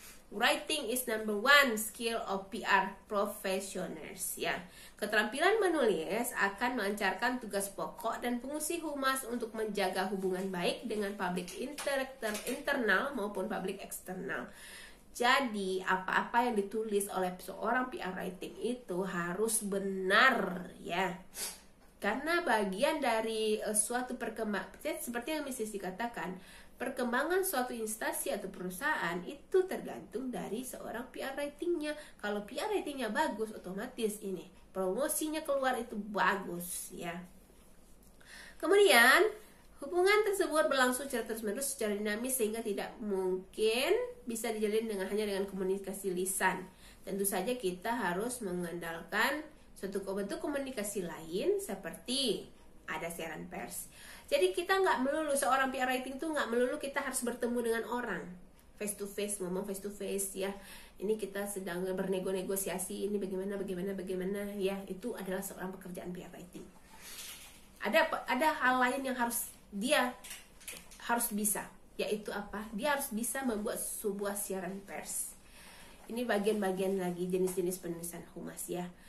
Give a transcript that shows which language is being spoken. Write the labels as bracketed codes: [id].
[en] Writing is number one skill of PR professionals. [id] Ya. Keterampilan menulis akan melancarkan tugas pokok dan fungsi humas untuk menjaga hubungan baik dengan publik internal maupun publik eksternal. Jadi, apa-apa yang ditulis oleh seorang PR writing itu harus benar, ya. Karena bagian dari suatu perkembangan, seperti yang Miss Sisi katakan, perkembangan suatu instansi atau perusahaan itu tergantung dari seorang PR ratingnya. Kalau PR ratingnya bagus, otomatis ini promosinya keluar itu bagus, ya. Kemudian, hubungan tersebut berlangsung secara terus-menerus, secara dinamis, sehingga tidak mungkin bisa dijalin dengan hanya dengan komunikasi lisan. Tentu saja kita harus mengandalkan suatu bentuk komunikasi lain, seperti ada siaran pers. Jadi kita nggak melulu, seorang PR writing itu nggak melulu kita harus bertemu dengan orang. [en] Face to face, [id] ngomong face to face, ya. Ini kita sedang bernego-negosiasi, ini bagaimana, bagaimana, bagaimana, ya. Itu adalah seorang pekerjaan PR writing. Ada hal lain yang harus dia harus bisa, yaitu apa? Dia harus bisa membuat sebuah siaran pers. Ini bagian-bagian lagi jenis-jenis penulisan humas, ya.